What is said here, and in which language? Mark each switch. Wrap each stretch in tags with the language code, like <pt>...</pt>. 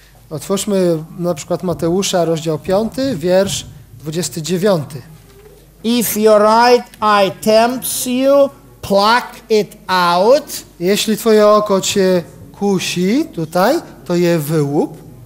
<pl>Otwórzmy na przykład Mateusza, rozdział 5, wiersz 29.</pl> <en>If your right eye tempts you, pluck it out.</en> <pl>Jeśli twoje oko cię kusi tutaj, to je wyłup.</pl>